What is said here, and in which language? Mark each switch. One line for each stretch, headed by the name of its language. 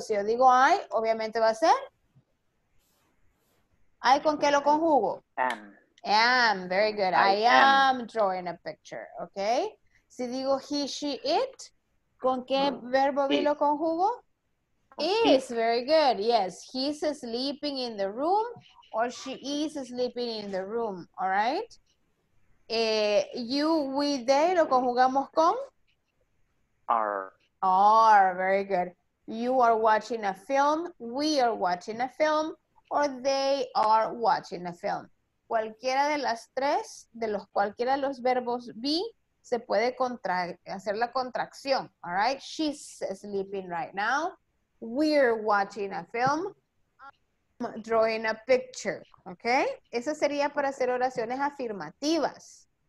Spanish: Si yo digo I, obviamente va a ser. I, ¿con qué lo conjugo?
English: Am, very good. I am drawing a picture, okay?
Spanish: Si digo he, she, it, ¿con qué verbo be lo conjugo?
English: Is, very good, yes. He's sleeping in the room or she is sleeping in the room, all right?
Spanish: You, we, they, ¿lo conjugamos con?
English: Are, very good. You are watching a film, we are watching a film, or they are watching a film.
Spanish: Cualquiera de las tres, de los cualquiera de los verbos be, se puede hacer la contracción,
English: all right? She's sleeping right now. We're watching a film. I'm drawing a picture, okay?
Spanish: Eso sería para hacer oraciones afirmativas.